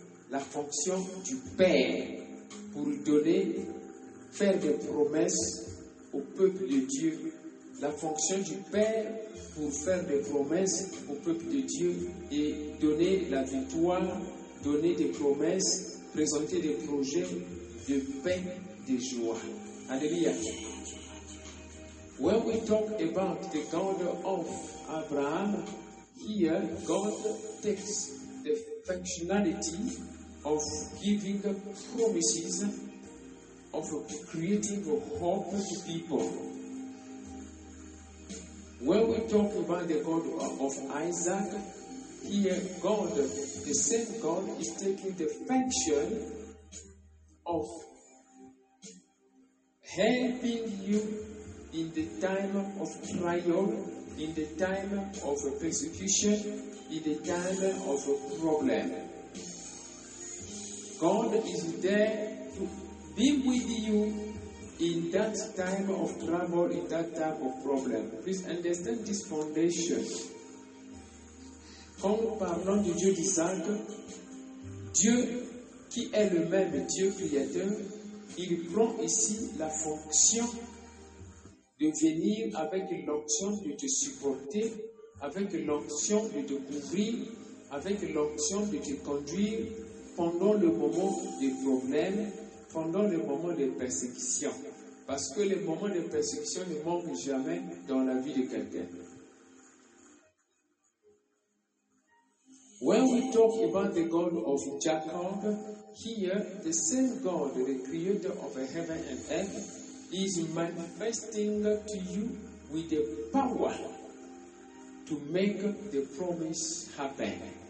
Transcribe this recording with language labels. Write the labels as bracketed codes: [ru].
[fr] La fonction du Père pour donner, faire des promesses au peuple de Dieu. La fonction du Père pour faire des promesses au peuple de Dieu et donner la victoire, donner des promesses, présenter des projets de paix, de joie. Alléluia. [en] When we talk about the God of Abraham, here God takes the functionality of giving promises, of creating hope to people. When we talk about the God of Isaac, here God, the same God, is taking the function of helping you in the time of trial, in the time of persecution, in the time of a problem. God is there to be with you in that time of trouble, in that time of problem. Please understand this foundation. [fr] Quand nous parlons du Dieu d'Isaac, Dieu qui est le même Dieu créateur, il prend ici la fonction de venir avec l'onction de te supporter, avec l'onction de te couvrir, avec l'onction de te conduire pendant le moment des problèmes, pendant le moment des persécutions. Parce que les moments de persécution ne manquent jamais dans la vie de quelqu'un. [en] When we talk about the God of Jacob, here the same God, the creator of heaven and earth, is manifesting to you with the power to make the promise happen.